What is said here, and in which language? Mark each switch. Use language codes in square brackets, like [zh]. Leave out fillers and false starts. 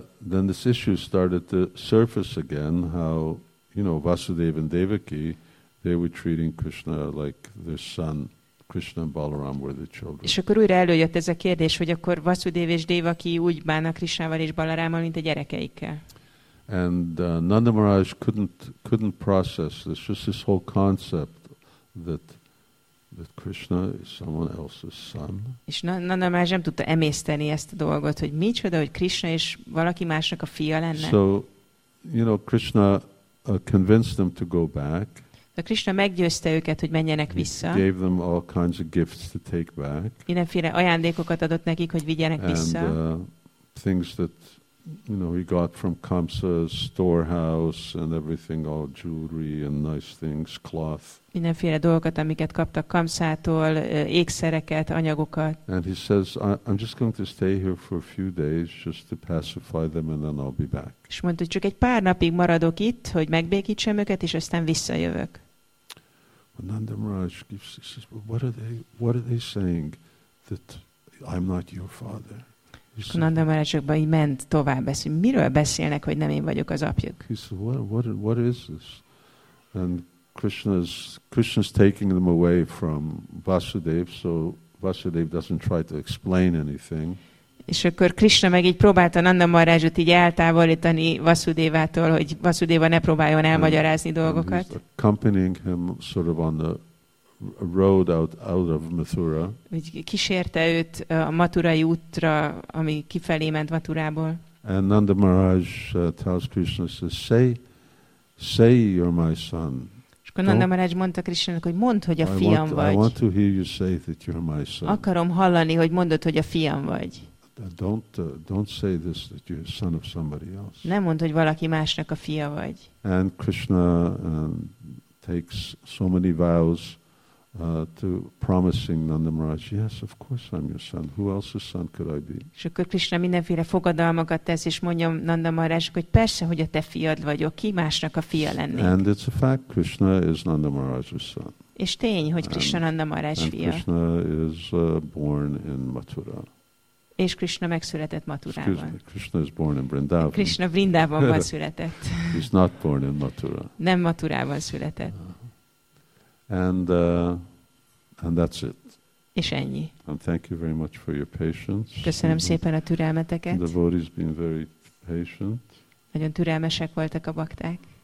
[en] Then this issue started to surface again, how, you know, Vasudev and Devaki, they were treating Krishna like their son. Krishna and Balaram were the children. [hu] És akkor újra előjött ez a kérdés, hogy akkor Vasudev és Devaki úgy bánnak Krishnával és Balarámmal, mint a gyerekeikkel. [en] And Nanda Maharaj couldn't process this, just this whole concept that Krishna is someone else's son. [hu] És Nanda Maharaj nem tudta emészteni ezt a dolgot, hogy micsoda, hogy Krishna is valaki másnak a fia lenne. [en] So, you know, Krishna convinced them to go back. [hu] De Krishna meggyőzte őket, hogy menjenek vissza. [en] He gave them all kinds of gifts to take back. [hu] Mindenféle ajándékokat adott nekik, hogy vigyenek vissza. [en] Things that, you know, he got from Kamsa's storehouse and everything, all jewelry and nice things, cloth. [hu] Mindenféle dolgokat, amiket kaptak Kamsától, ékszereket, anyagokat. [en] And he says, I'm just going to stay here for a few days just to pacify them and then I'll be back. [hu] És mondta, hogy csak egy pár napig maradok itt, hogy megbékítsem őket, és aztán visszajövök. [en] Nanda Maharaj gives, he says, what are they saying that I'm not your father? [hu] Nanda Maharaj csak így ment tovább, ezt, miről beszélnek, hogy nem én vagyok az apjuk? [en] He said, what is this? And Krishna's taking them away from Vasudev, so Vasudev doesn't try to explain anything. [hu] És akkor Krishna meg így próbálta Nanda Maharajot így eltávolítani Vasudevától, hogy Vasudeva ne próbáljon elmagyarázni dolgokat. [en] And he's accompanying him sort of on the road out of Mathura. [hu] Úgy kísérte őt a Mathurai útra, ami kifelé ment Mathurából. [en] And Nanda Maharaj tells Krishna, says, say you're my son. [hu] És akkor Nanda Maharaj mondta Krishnának, hogy mondd, hogy a fiam vagy. [en] I want to hear you say that you're my son. [hu] Akarom hallani, hogy mondod, hogy a fiam vagy. [en] Don't say this that you're son of somebody else. [hu] Nem mondd, hogy valaki másnak a fia vagy. [en] And Krishna takes so many vows to promising Nanda Maharaj, yes, of course I'm your son. Who else's son could I be? [hu] Akkor Krisna mindenféle fogadalmakat tesz, és mondja Nanda Maharajnak, hogy persze, hogy a te fiad vagyok, ki másnak a fia lennék. [en] And it's a fact, Krishna is Nanda Maharaj's son. [hu] És tény, hogy Krishna Nanda Maharaj fia. [en] And Krishna is born in Mathura. [hu] És Krishna megszületett Mathurában. [en] Krishna is born in Vrindavan. [hu] Krishna Vrindavanban született. [en] He's not born in Mathura. [hu] Nem Mathurában született. [en] And that's it. [hu] És ennyi. [en] And thank you very much for your patience. [hu] Köszönöm szépen a türelmeteket. [en] The devotees been very patient. [hu] Nagyon türelmesek voltak a bakták.